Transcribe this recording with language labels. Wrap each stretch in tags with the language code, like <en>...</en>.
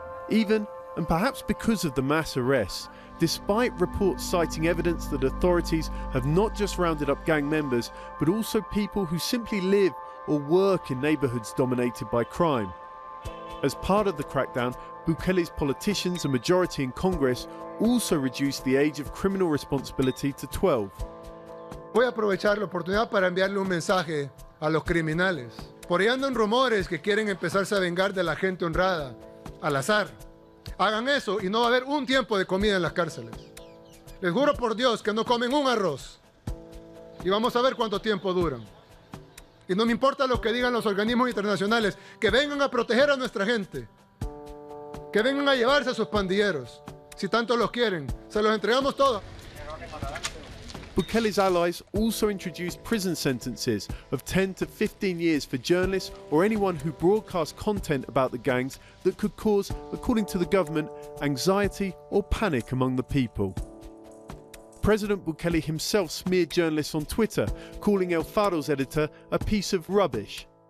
<en>Even, and perhaps because of the mass arrests, despite reports citing evidence that authorities have not just rounded up gang members, but also people who simply live or work in neighborhoods dominated by crime. As part of the crackdown, Bukele's politicians, a majority in Congress, also reduced the age of criminal responsibility to 12.</en> <es>Voy a aprovechar la oportunidad para enviarle un mensaje a los criminales. Por ahí andan rumores que quieren empezarse a vengar de la gente honrada, al azar. Hagan eso y no va a haber un tiempo de comida en las cárceles. Les juro por Dios que no comen un arroz. Y vamos a ver cuánto tiempo duran. Y no me importa lo que digan los organismos internacionales, que vengan a proteger a nuestra gente. Que vengan a llevarse a sus pandilleros. Si tanto los quieren, se los entregamos todos.</es> <en>Bukele's allies also introduced prison sentences of 10 to 15 years for journalists or anyone who broadcasts content about the gangs that could cause, according to the government, anxiety or panic among the people. President Bukele himself smeared journalists on Twitter, calling El Faro's editor a piece of rubbish.</en>